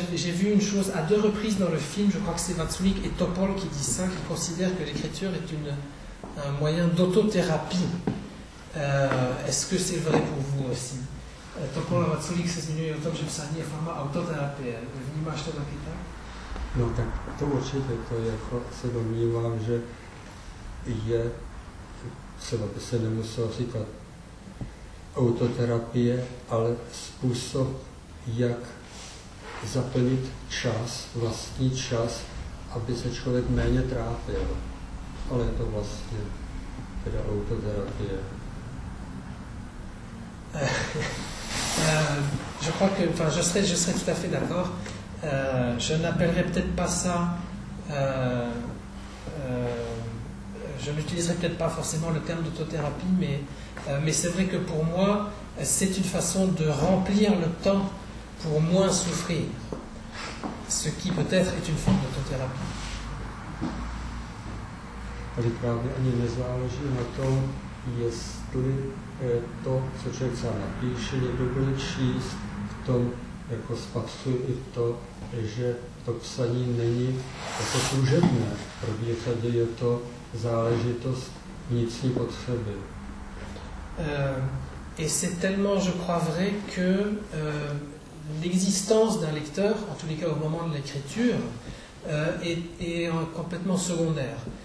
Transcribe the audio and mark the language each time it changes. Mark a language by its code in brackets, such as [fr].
[fr] j'ai vu une chose à deux reprises dans le film, je crois que c'est Vatsulik et Topol qui disent ça, qui considèrent que l'écriture est un moyen d'autothérapie. Est-ce que c'est vrai pour vous aussi? Topol a Vatsulik, c'est une nuit autant que je me sens forma autothérapie. [cs] Vnímáš to taky tak? No tak to určitě, to jako se domnívám, že je, třeba by se nemuselo říkat autoterapie, ale způsob, jak zaplnit čas, vlastní čas, aby se člověk méně trápil. Ale je to vlastně teda autoterapie. [fr] Je crois que, enfin, je serais tout à fait d'accord. Je n'appellerais peut-être pas ça, je n'utiliserais peut-être pas forcément le terme d'autothérapie, mais c'est vrai que pour moi, c'est une façon de remplir le temps pour moins souffrir, ce qui peut-être est une forme d'autothérapie. [cs] Ale právě ani nezáleží na tom, jestli to, co člověk sám napíše, někdo bude číst, v tom jako spatřuje i to, že to psaní není jako služebné. Pro většině je to záležitost vnitřní potřeby. [fr] Et c'est tellement, je crois, vrai que l'existence d'un lecteur, en tous les cas au moment de l'écriture, est complètement secondaire.